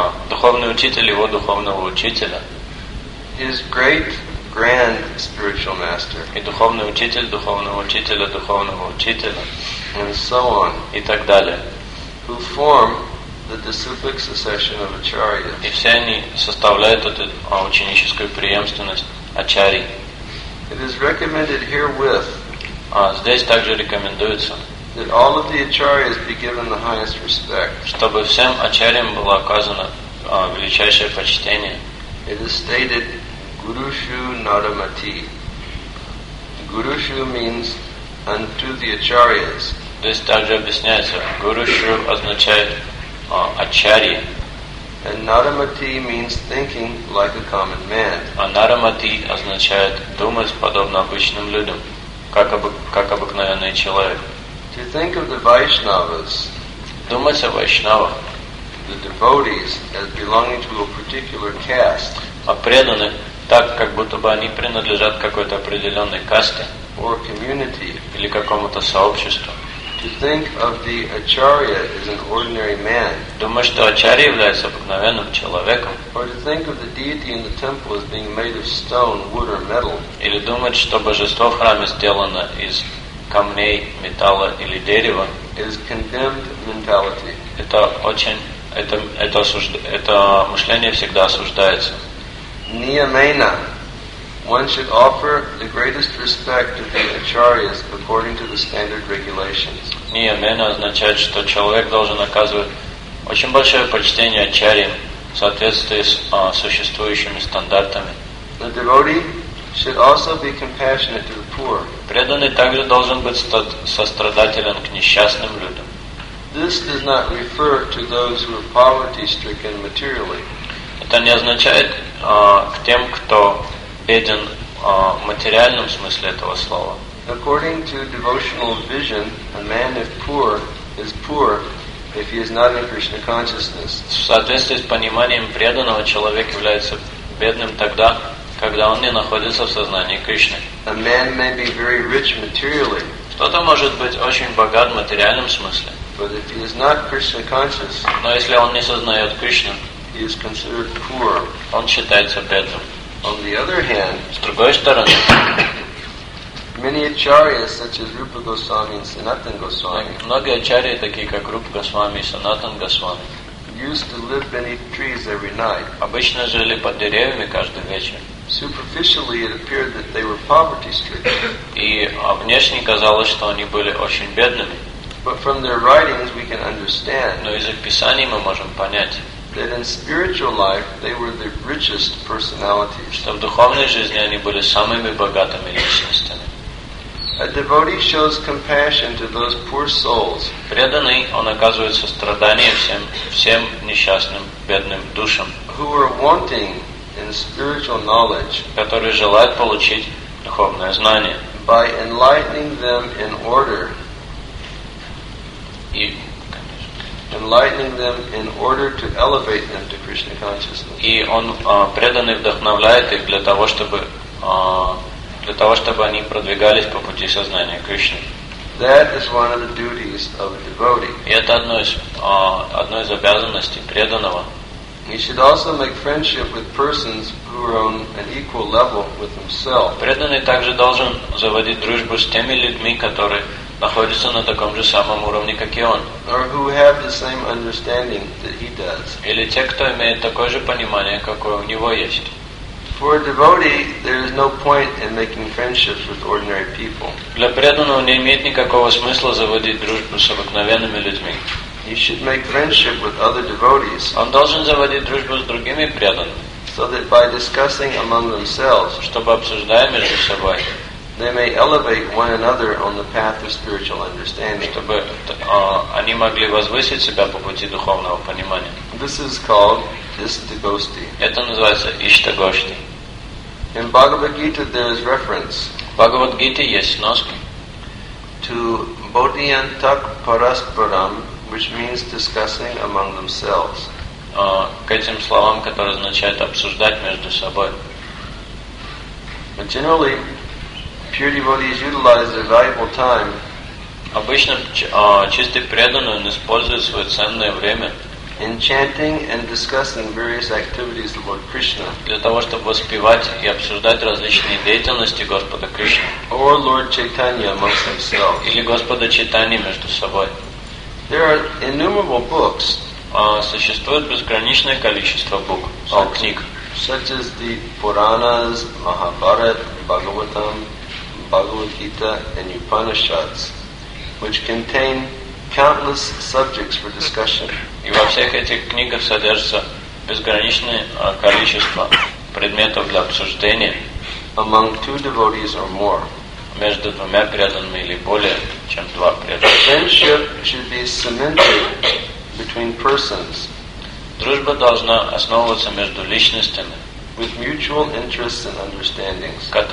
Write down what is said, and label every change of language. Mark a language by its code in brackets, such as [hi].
[ru] Духовный учитель его духовного учителя. [en] His great grand spiritual master. [ru] И духовный учитель духовного учителя духовного учителя. [en] And so on. [ru] И так далее. [en] Who form the disciplic succession of acharyas. [ru] И все они составляют эту ученическую преемственность ачарий. [en] It is recommended herewith. [ru] Здесь также рекомендуется. [en] That all of the acharyas be given the highest respect. [ru] Чтобы всем ачарьям было оказано величайшее почтение. [en] It is stated, Gurushu Naramati. Gurushu means unto the acharyas. [ru] Здесь также объясняется, Gurushu означает ачарьи. [en] And Naramati means thinking like a common man. [ru] А Naramati означает думать подобно обычным людям, как обыкновенный человек. [en] To think of the Vaishnavas, [ru] думать о Вайшнавах, [en] the devotees as belonging to a particular caste, [ru] о преданных так, как будто бы они принадлежат какой-то определенной касте, [en] or community, [ru] или какому-то сообществу. [en] To think of the acharya as an ordinary man. [ru] Думать, что ачарья является обыкновенным человеком. [en] Or to think of the deity in the temple as being made of stone, wood, or metal. [ru] Или думать, что божество в храме сделано из камней, металла или дерева. [en] Is condemned mentality. [ru] Это мышление всегда осуждается. [sa] Niyamena. [en] One should offer the greatest respect to the acharyas according to the standard regulations. [ru] Niyamena означает, что человек должен оказывать очень большое почтение ачарьям в соответствии с существующими стандартами. [en] The devotee should also be compassionate to the poor. [ru] Преданный также должен быть сострадателен к несчастным людям. [en] This does not refer to those who are poverty-stricken materially. [ru] Это не означает к тем, кто беден в материальном смысле этого слова. [en] According to devotional vision, a man if poor is poor if he is not in Krishna consciousness. [ru] В соответствии с пониманием преданного, человек является бедным тогда, когда он не находится в сознании Кришны. [en] A man may be very rich materially. [ru] Кто-то может быть очень богат в материальном смысле. [en] But if he is not Krishna conscious, [ru] но если он не сознает Кришну, [en] he is considered poor. [ru] Он считается бедным. [en] On the other hand, [ru] с другой стороны, [en] many acharyas such as Rupa Goswami and Sanatan Goswami, [ru] многие ачарьи, такие как Рупа Госвами и Санатан Госвами, [en] used to live beneath trees every night. [ru] Обычно жили под деревьями каждый вечер. [en] Superficially, it appeared that they were poverty-stricken. [ru] И внешне казалось, что они были очень бедными. [en] But from their writings, we can understand. [ru] Но из их писаний мы можем понять. [en] That in spiritual life they were the richest personalities. [ru] Что в духовной жизни они были самыми богатыми личностями. [en] A devotee shows compassion to those poor souls. [ru] Преданный, он оказывает сострадание всем несчастным бедным душам, [en] who are wanting in spiritual knowledge, [ru] которые желают получить духовное знание, [en] by enlightening them in order, enlightening them in order to elevate them to Krishna consciousness. [ru] И он преданный вдохновляет их для того, чтобы для того, чтобы они продвигались по пути сознания Кришны. [en] That is one of the duties of a devotee. [ru] И это одной из обязанностей преданного. [en] He should also make friendship with persons who are on an equal level with himself. [ru] Преданный также должен заводить дружбу с теми людьми, которые находятся на таком же самом уровне, как и он. [en] Or who have the same understanding that he does. [ru] Или те, кто имеет такое же понимание, какое у него есть. [en] For a devotee, there is no point in making friendships with ordinary people. [ru] Для преданного не имеет никакого смысла заводить дружбу с обыкновенными людьми. [en] He should make friendship with other devotees. [ru] Он должен заводить дружбу с другими преданными. [en] So that by discussing among themselves, [ru] чтобы обсуждая между собой, [en] they may elevate one another on the path of spiritual understanding. [ru] Чтобы они могли возвысить себя по пути духовного понимания. [en] This is called Ishtagoshti. [ru] Это называется Ishtagoshti. [en] In Bhagavad Gita there is reference. [ru] В Бхагавад Гите есть сноска. [en] To Bodhiyantak Parasparam, which means discussing among themselves. [ru] К этим словам, которые означают обсуждать между собой. [en] But generally, pure devotees utilize their valuable time. [ru] Обычно чистый преданный он использует свое ценное время. [en] In chanting and discussing various activities of Lord Krishna. [ru] Для того, чтобы воспевать и обсуждать различные деятельности Господа Кришны. [en] Or Lord Chaitanya amongst themselves. [ru] Или Господа Чайтанья между собой. [en] There are innumerable books. [ru] Существует безграничное количество книг. [en] Such as the Puranas, Mahabharat, Bhagavatam, Bhagavad Gita and Upanishads, which contain countless subjects for discussion. [ru] И во всех этих книгах содержится безграничное количество предметов для обсуждения. [en] Among two devotees or more. [ru] Между двумя преданными или более чем два преданных. [en] Friendship should be cemented between persons. [ru] Дружба должна основываться между личностями. [en] With mutual interests and understandings.